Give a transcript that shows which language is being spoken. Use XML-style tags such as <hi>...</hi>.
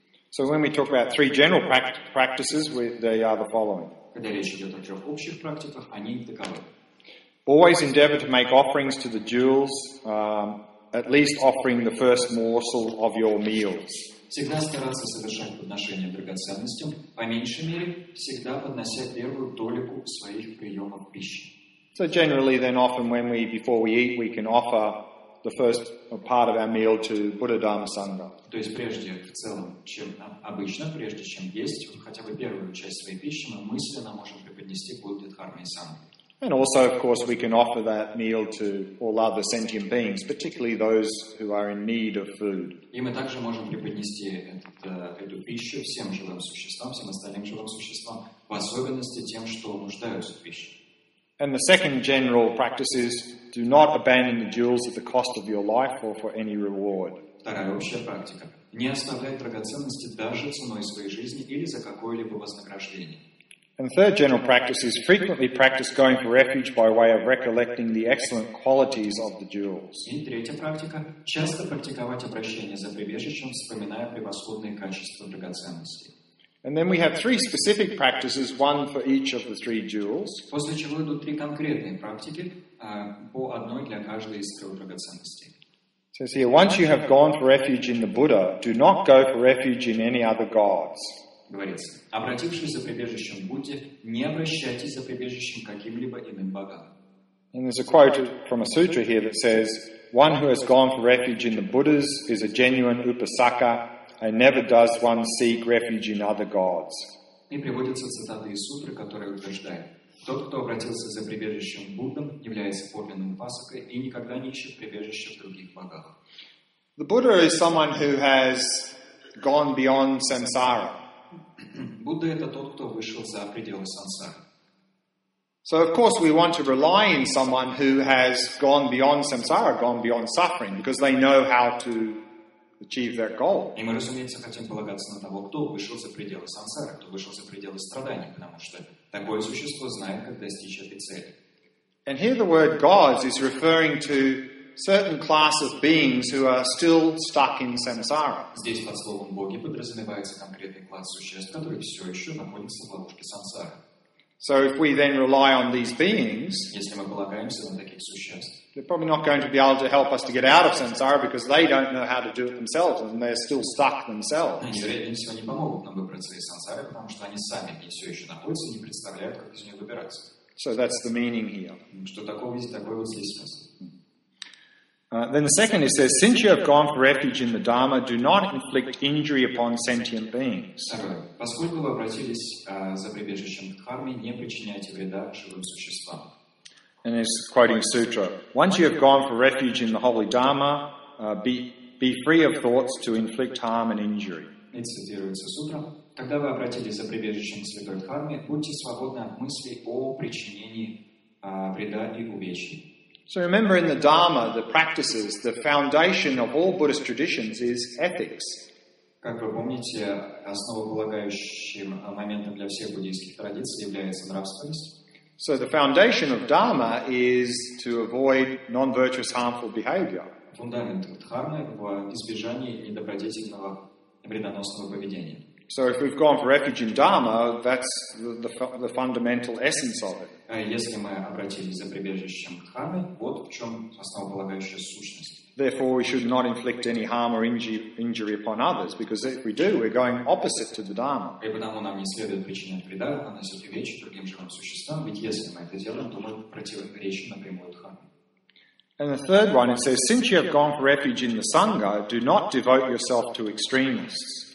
<en>So when we talk about three general practices, they are the following.</en> <ru>Когда речь идет о трех общих практиках, они таковы.</ru> <en>Always endeavor to make offerings to the jewels, at least offering the first morsel of your meals.</en> <ru>Всегда стараться совершать подношения драгоценностям, по меньшей мере, всегда поднося первую толику своих приемов пищи.</ru> <en>So generally then often when we, before we eat, we can offer the first part of our meal to Buddha Dhamma Sangha.</en> <ru>То есть прежде, в целом, чем обычно, прежде чем есть, хотя бы первую часть своей пищи, мы мысленно можем преподнести Будде Дхарме Сангхе.</ru> <en>And also, of course, we can offer that meal to all other sentient beings, particularly those who are in need of food.</en> <ru>И мы также можем преподнести эту пищу всем живым существам, всем остальным живым существам, в особенности тем, что нуждаются в пище.</ru> <en>And the second general practice is, do not abandon the jewels at the cost of your life or for any reward.</en> <ru>Вторая общая практика. Не оставляй драгоценности даже ценой своей жизни или за какое-либо вознаграждение.</ru> <en>And third general practice is frequently practice going for refuge by way of recollecting the excellent qualities of the jewels.</en> <ru>И третья практика – часто практиковать обращение за прибежищем, вспоминая превосходные качества драгоценностей.</ru> <en>And then we have three specific practices, one for each of the three jewels.</en> <ru>После чего идут три конкретные практики, по одной для каждой из трех драгоценностей.</ru> <en>It says here, once you have gone for refuge in the Buddha, do not go for refuge in any other gods.</en> <ru>Говорится, обратившись за прибежищем к Будде, не обращайтесь за прибежищем к каким-либо иным богам.</ru> <en>And there's a quote from a sutra here that says, one who has gone for refuge in the Buddhas is a genuine upasaka and never does one seek refuge in other gods.</en> <ru>И приводится цитата из сутры, которая утверждает, тот, кто обратился за прибежищем к Буддам, является подлинным упасакой и никогда не ищет прибежища в других богах.</ru> <en>The Buddha is someone who has gone beyond samsara.</en> <ru>Будда – это тот, кто вышел за пределы сансары.</ru> <en>So, of course, we want to rely on someone who has gone beyond samsara, gone beyond suffering, because they know how to achieve their goal.</en> <ru>И мы, разумеется, хотим полагаться на того, кто вышел за пределы сансары, кто вышел за пределы страданий, потому что такое существо знает, как достичь этой цели.</ru> <en>And here the word gods is referring to certain class of beings who are still stuck in samsara.</en> <ru>Здесь под словом боги подразумевается конкретный класс существ, которые все еще находятся в ловушке сансары.</ru> <en>So if we then rely on these beings,</en> <ru>если мы полагаемся на таких существ,</ru> <en>they're probably not going to be able to help us to get out of samsara because they don't know how to do it themselves and they're still stuck themselves.</en> <ru>Они, вероятнее всего, не помогут нам выбраться из сансары, потому что они сами все еще находятся и не представляют, как из нее выбираться.</ru> <en>So that's the meaning here.</en> <ru>Что такое здесь, такое вот здесь смысл.</ru> <en>Then the second, it says, since you have gone for refuge in the Dharma, do not inflict injury upon sentient beings.</en> <ru>Поскольку вы обратились за прибежищем к Дхарме, не причиняйте вреда живым существам.</ru> <en>And it's quoting Sutra. Once you have gone for refuge in the Holy Dharma, be free of thoughts to inflict harm and injury.</en> <ru>И цитируется Сутра. Когда вы обратились за прибежищем к Святой Дхарме, будьте свободны от мыслей о причинении вреда и увечья.</ru> <en>So remember in the Dharma, the practices, the foundation of all Buddhist traditions is ethics.</en> <ru>Как вы помните, основополагающим моментом для всех буддийских традиций является нравственность.</ru> <en>So the foundation of Dharma is to avoid non-virtuous harmful behavior.</en> <ru>Фундамент Дхармы в избежании недобродетельного вредоносного поведения.</ru> <en>So if we've gone for refuge in Dharma, that's the fundamental essence of it.</en> <ru>Если мы обратились за прибежищем к Дхарме, вот в чем основополагающая сущность.</ru> <en>Therefore, we should not inflict any harm or injury upon others, because if we do, we're going opposite to the Dharma.</en> <ru>И потому нам не следует причинять вреда, наносить увечья другим живым существам, ведь если мы это делаем, то мы противоречим напрямую Дхарме.</ru> <en>And the third one, it says, since you have gone for refuge in the Sangha, do not devote yourself to extremists.</en>